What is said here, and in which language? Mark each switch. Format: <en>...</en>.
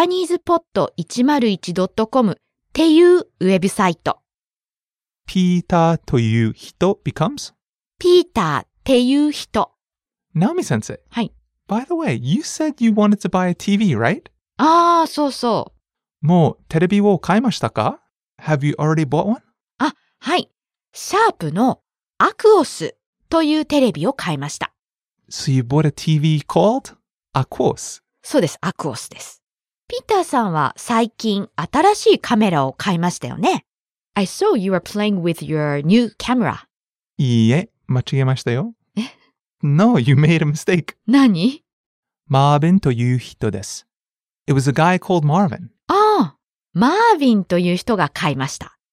<ja>JapanesePod101.comというウェブサイト。ピーターという人 becomes? ピーターという人。 Naomi 先生。はい。</ja> <en>By the way, you said you wanted to buy a TV, right?</en> <ja>ああ、そうそう。もうテレビを買いましたか?</ja> <en>Have you already bought one?</en> <ja>あ、はい。シャープのアクオスというテレビを買いました。</ja> <en>So you bought a TV called Aquos?</en> <ja>そうです、アクオスです。ピーターさんは最近新しいカメラを買いましたよね。</ja> <en>I saw you are playing with your new camera.</en> <ja>いいえ、間違えましたよ。え</ja> <en>No, you made a mistake.</en> <ja>何? マーヴィンという人です。</ja> <en>It was a guy called Marvin.</en> <ja>ああ、マーヴィンという人が買いました。</ja>